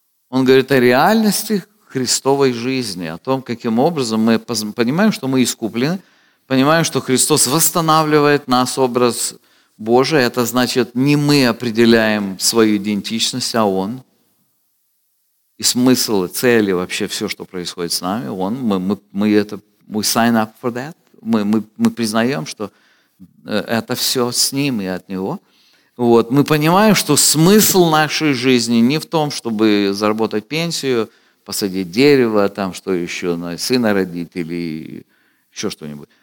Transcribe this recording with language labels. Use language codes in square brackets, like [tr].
[ru] Он говорит о реальности Христовой жизни, о том, каким образом мы понимаем, что мы искуплены, понимаем, что Христос восстанавливает нас, образ Божий. Это значит, не мы определяем свою идентичность, а Он. И смысл, и цель, и вообще все, что происходит с нами, Он. Мы [en] sign up for that. [ru] Мы признаем, что это все с Ним и от Него. Вот. Мы понимаем, что смысл нашей жизни не в том, чтобы заработать пенсию, посадить дерево, там, что еще, сына родить или еще что-нибудь.